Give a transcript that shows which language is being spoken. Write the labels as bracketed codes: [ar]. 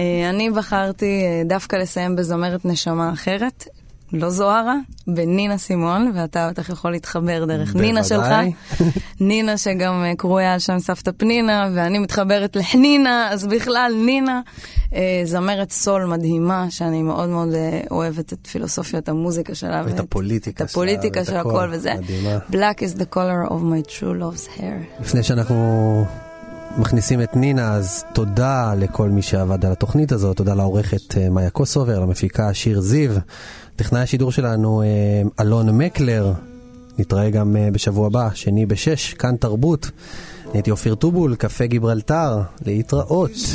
[he] אני בחרתי דווקא לסיים בזמרת נשמה אחרת, לא זוהרה, בנינה סימון, ואתה בטח יכול להתחבר דרך נינה שלך. נינה שגם קרויה על שם סבתא פנינה, ואני מתחברת לחנינה, אז בכלל נינה. זמרת סול מדהימה, שאני מאוד מאוד אוהבת את פילוסופיית המוזיקה שלה. ואת הפוליטיקה שלה. את הפוליטיקה של הכל וזה. מדהימה. [en] Black is the color of my true love's hair. [he] לפני שאנחנו... מכניסים את נינה, אז תודה לכל מי שעבד על התוכנית הזאת, תודה לעורכת מאיה קוסובר, למפיקה שיר זיו, טכנאי השידור שלנו אלון מקלר, נתראה גם בשבוע הבא, שני בשש, כאן תרבות, נהייתי אופיר טובול, קפה גיברלטר, להתראות.